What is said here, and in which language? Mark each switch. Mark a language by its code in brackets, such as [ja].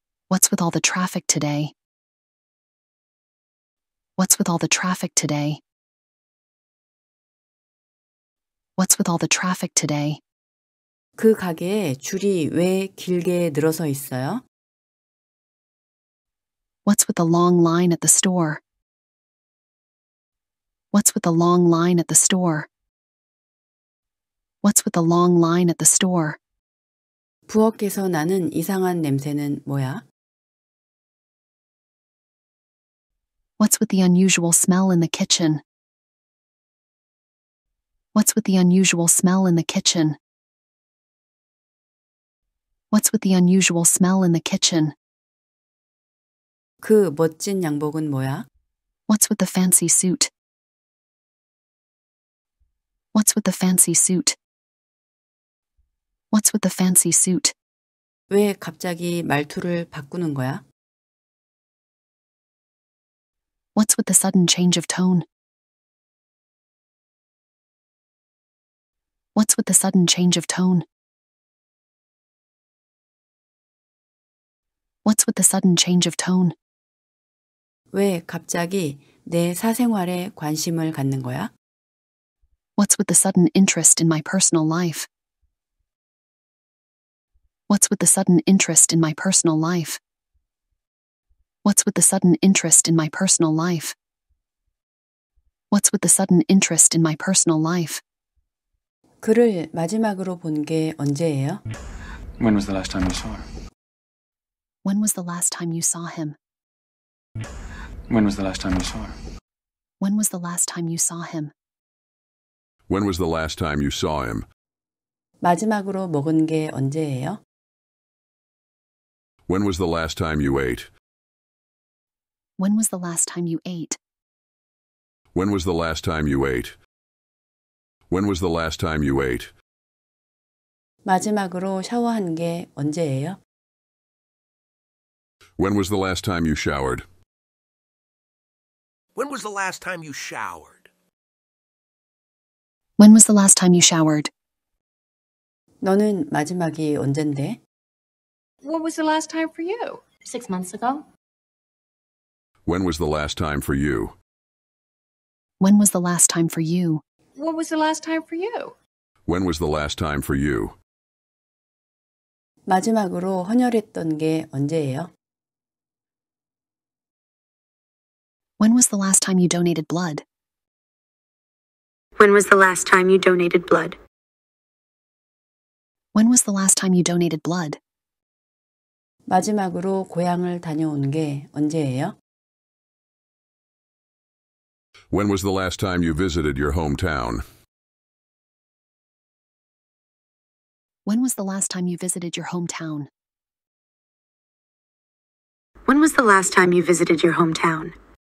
[en] What's with all the traffic today? What's with all the traffic today? What's with all the traffic today? [ko] 그 가게에 줄이 왜 길게 늘어서 있어요? [en] What's with the long line at the store? What's with the long line at the store? What's with the long line at the store? [ko] 부엌에서 나는 이상한 냄새는 뭐야? [en] What's with the unusual smell in the kitchen? What's with the unusual smell in the kitchen? What's with the unusual smell in the kitchen? [ko] 그 멋진 양복은 뭐야? [en] What's with the fancy suit? What's with the fancy suit? What's with the fancy suit? [ko] 왜 갑자기 말투를 바꾸는 거야? [en] What's with the sudden change of tone? What's with the sudden change of tone? What's with the sudden change of tone? [ko] 왜 갑자기 내 사생활에 관심을 갖는 거야? [en] What's with the sudden interest in my personal life? What's with the sudden interest in my personal life? What's with the sudden interest in my personal life? What's with the sudden interest in my personal life? [ko] 그를 마지막으로 본 게 언제예요? [en] When was the last time you saw her? When was the last time you saw him? When was the last time you saw her? When was the last time you saw him? When was the last time you saw him? [ko] 마지막으로 먹은 게 언제예요? [en] When was the last time you ate? When was the last time you ate? When was the last time you ate? When was the last time you ate? [ko] 마지막으로 샤워한 게 언제예요? [en] When was the last time you showered? When was the last time you showered? When was the last time you showered? [ko] 너는 마지막이 언젠데? [en] What was the last time for you? 6 months ago. When was the last time for you? When was the last time for you? What was the last time for you? When was the last time for you? [ko] 마지막으로 헌혈했던 게 언제예요? [en] When was the last time you donated blood? When was the last time you donated blood? When was the last time you donated blood? [ko] 마지막으로 고향을 다녀온 게 언제예요? [en] When was the last time you visited your hometown? When was the last time you visited your hometown? When was the last time you visited your hometown?